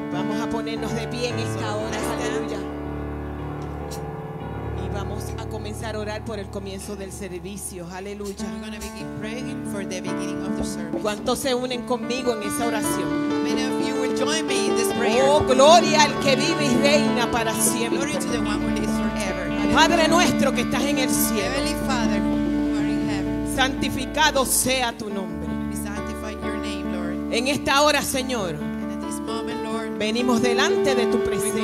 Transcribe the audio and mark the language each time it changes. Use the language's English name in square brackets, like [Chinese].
[Spanish] Vamos a ponernos de pie en esta hora, aleluya. Y vamos a comenzar a orar por el comienzo del servicio, aleluya. [English] We're going to begin praying for the beginning of the service. [Spanish] ¿Cuántos se unen conmigo en esa oración? [English] Many of you will join me in this prayer. [Spanish] Oh, gloria al que vive y reina para siempre. [English] Glory to the one who lives forever. [Spanish] Padre nuestro que estás en el cielo. [English] Heavenly Father, who are in heaven. [Spanish] Santificado sea tu nombre. [English] We sanctify your name, Lord. [Spanish] En esta hora, Señor. [English] And at this moment, Lord, [Spanish] venimos delante de tu presencia.